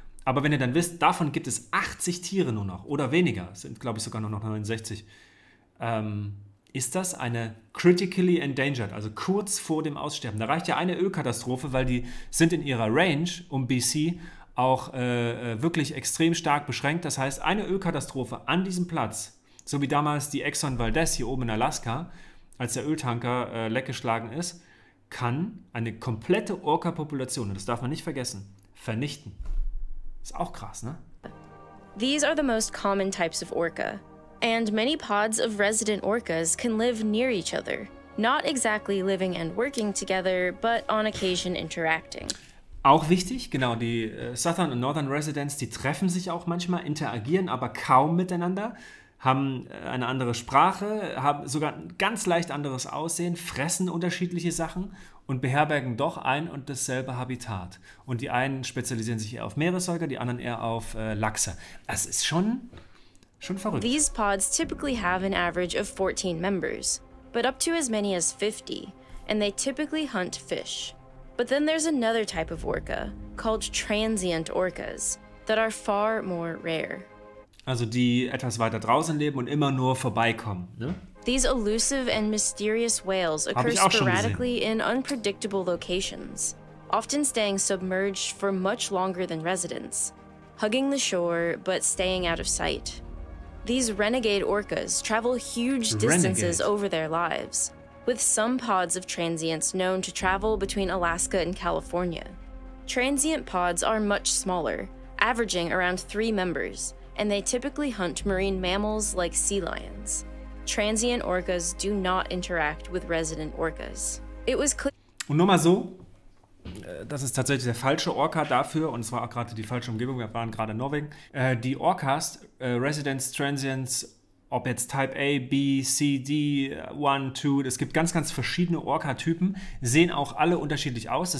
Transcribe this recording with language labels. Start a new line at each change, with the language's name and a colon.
German: Aber wenn ihr dann wisst, davon gibt es 80 Tiere nur noch oder weniger, sind glaube ich sogar nur noch 69, ist das eine
English: critically endangered,
German: also kurz vor dem Aussterben. Da reicht ja eine Ölkatastrophe, weil die sind in ihrer Range um BC auch wirklich extrem stark beschränkt. Das heißt, eine Ölkatastrophe an diesem Platz, so wie damals die Exxon Valdez hier oben in Alaska, als der Öltanker leckgeschlagen ist, kann eine komplette Orca-Population, und das darf man nicht vergessen, vernichten. Ist auch krass, ne?
English: These are the most common types of orca. And many pods of resident orcas can live near each other. Not exactly living and working together, but on occasion interacting.
German: Auch wichtig, genau, die Southern und Northern Residents, die treffen sich auch manchmal, interagieren aber kaum miteinander, haben eine andere Sprache, haben sogar ein ganz leicht anderes Aussehen, fressen unterschiedliche Sachen und beherbergen doch ein und dasselbe Habitat. Und die einen spezialisieren sich eher auf Meeressäuger, die anderen eher auf Lachse. Das ist schon verrückt.
English: These pods typically have an average of 14 members, but up to as many as 50, and they typically hunt fish. But then there's another type of orca, called transient orcas, that are far more rare.
German: Also die etwas weiter draußen leben und immer nur vorbeikommen, ne?
English: These elusive and mysterious whales occur sporadically in unpredictable locations, often staying submerged for much longer than residents, hugging the shore but staying out of sight. These renegade orcas travel huge distances renegade over their lives, with some pods of transients known to travel between Alaska and California. Transient pods are much smaller, averaging around 3 members, and they typically hunt marine mammals like sea lions. Transient orcas do not interact with resident orcas. It was clear.
German: Und nur mal so, das ist tatsächlich der falsche Orca dafür, und es war auch gerade die falsche Umgebung, wir waren gerade in Norwegen. Die Orcas, Residents, Transients, ob jetzt Type A, B, C, D, 1, 2, es gibt ganz, ganz verschiedene Orca-Typen, sehen auch alle unterschiedlich aus.